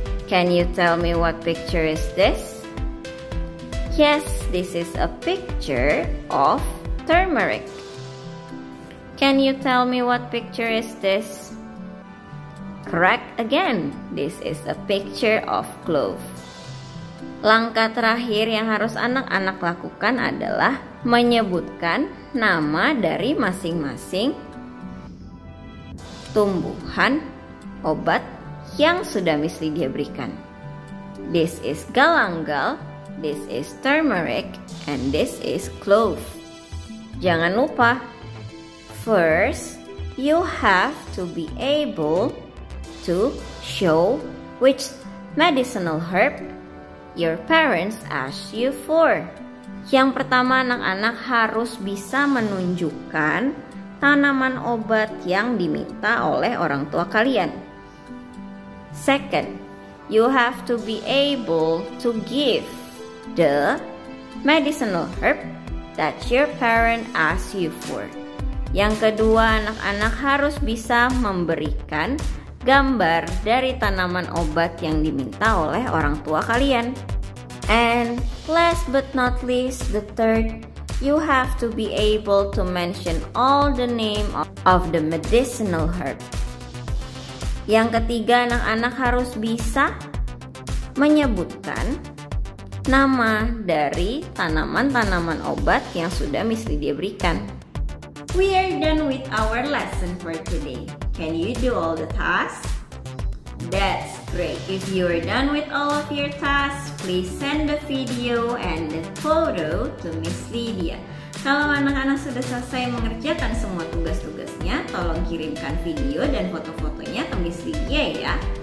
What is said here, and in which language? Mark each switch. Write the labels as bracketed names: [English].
[English] Can you tell me what picture is this? Yes, this is a picture of turmeric. Can you tell me what picture is this? Correct again, this is a picture of clove. [Indonesian] Langkah terakhir yang harus anak-anak lakukan adalah menyebutkan nama dari masing-masing tumbuhan obat yang sudah Misli dia berikan. [English] This is galangal, this is turmeric, and this is clove. [Indonesian] Jangan lupa, [English] first, you have to be able to show which medicinal herb your parents asked you for. [Indonesian] Yang pertama, anak-anak harus bisa menunjukkan tanaman obat yang diminta oleh orang tua kalian. [English] Second, you have to be able to give the medicinal herb that your parent asked you for. [Indonesian] Yang kedua, anak-anak harus bisa memberikan gambar dari tanaman obat yang diminta oleh orang tua kalian. [English] And last but not least, the third, you have to be able to mention all the name of the medicinal herb. [Indonesian] Yang ketiga, anak-anak harus bisa menyebutkan nama dari tanaman-tanaman obat yang sudah Miss Lydia berikan. [English] We are done with our lesson for today. Can you do all the tasks? That's great. If you are done with all of your tasks, please send the video and the photo to Miss Lydia. [Indonesian] Kalau anak-anak sudah selesai mengerjakan semua tugas-tugasnya, tolong kirimkan video dan foto-fotonya ke Miss Lydia ya.